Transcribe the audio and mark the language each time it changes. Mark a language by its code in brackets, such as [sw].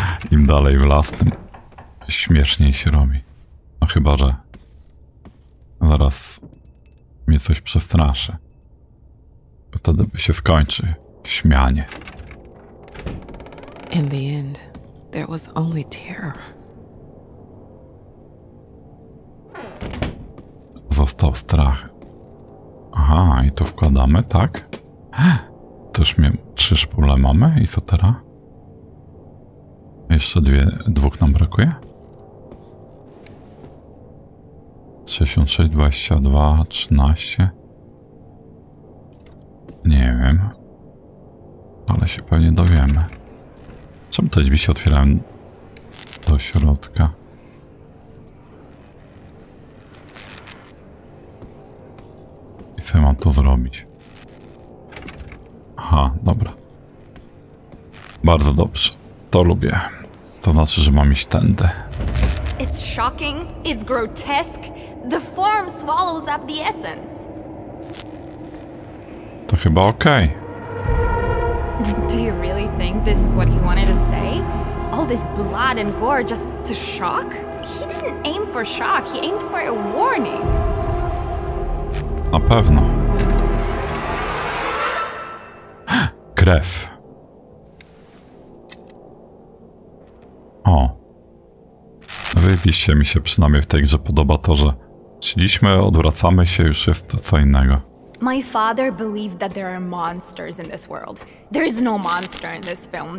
[pl] Im dalej w las, tym śmieszniej się robi. No chyba, że zaraz mnie coś przestraszy. Wtedy by się skończy śmianie. [en] In the end, there was only terror. [pl] Został strach. Aha, i tu wkładamy, tak? To już mnie trzy szpule mamy i co teraz? Jeszcze dwóch nam brakuje? 66, 22, 13. Nie wiem. Ale się pewnie dowiemy. Czemu te drzwi się otwierają do środka? I co mam to zrobić? Aha, dobra. Bardzo dobrze. To lubię. To znaczy, że mam iść tędy. [en] It's shocking. It's grotesque. The form swallows up the essence. [pl] To chyba okej. [en] Do you really think this is what he wanted to say? All this blood and gore just to shock? He didn't aim for shock, he aimed for a warning. [pl] Na pewno. krew. O. Wybiście mi się przynajmniej w tej grze podoba to, że szliśmy, odwracamy się, już jest to co innego. [en] My father believed that there are monsters in this world. There is no monster in this film.